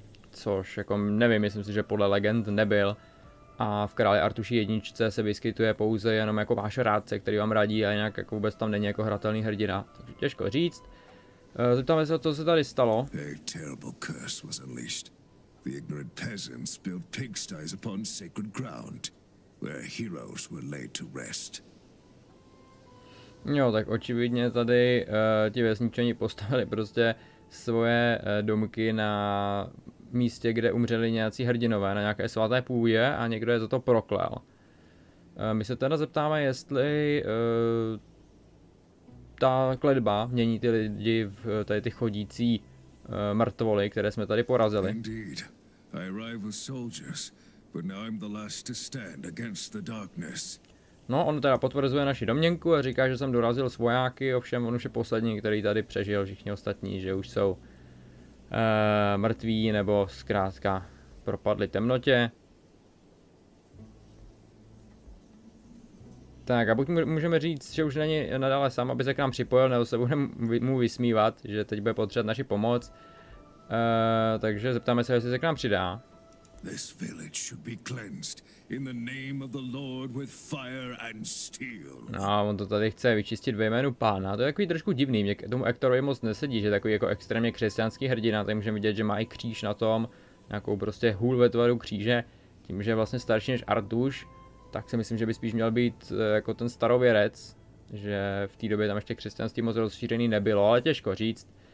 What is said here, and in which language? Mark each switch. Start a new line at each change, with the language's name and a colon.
Czech: Což jako nevím, myslím si, že podle legend nebyl. A v králi Artuši jedničce se vyskytuje pouze jenom jako váš rádce, který vám radí, a jinak jako vůbec tam není jako hratelný hrdina. Takže těžko říct. Zeptáme se, co se tady stalo.
English: A terrible curse was unleashed. The ignorant peasants built pigsties upon sacred ground, where heroes were laid to rest.
Czech: Jo, tak očividně tady ti vesničani postavili prostě svoje domky na místě, kde umřeli nějací hrdinové na nějaké svaté půdě a někdo je za to proklel. My se teda zeptáme, jestli ta kletba mění ty lidi v tady ty chodící mrtvoly, které jsme tady porazili.
English: Indeed. I arrived with soldiers, but now I'm the last to stand against the darkness.
Czech: No, on teda potvrzuje naši domněnku a říká, že jsem dorazil s vojáky, ovšem on už je poslední, který tady přežil, všichni ostatní, že už jsou mrtví, nebo zkrátka propadli temnotě. Tak a buď můžeme říct, že už není nadále sám, aby se k nám připojil, nebo se budeme mu vysmívat, že teď bude potřebovat naši pomoc. Takže zeptáme se, jestli se k nám přidá.
English: This village should be cleansed in the name of the Lord with fire and steel.
Czech: No, on to tady chce vyčistit ve jménu pána. To je takový trošku divný, mě k tomu Hectorovi moc nesedí, že je takový jako extrémně křesťanský hrdina. Tady můžeme vidět, že má i kříž na tom, nějakou prostě hůl ve tvaru kříže. Tím, že je vlastně starší než Artuš, tak si myslím, že by spíš měl být jako ten starověrec, že v té době tam ještě křesťanství moc rozšířený nebylo, ale těžko říct.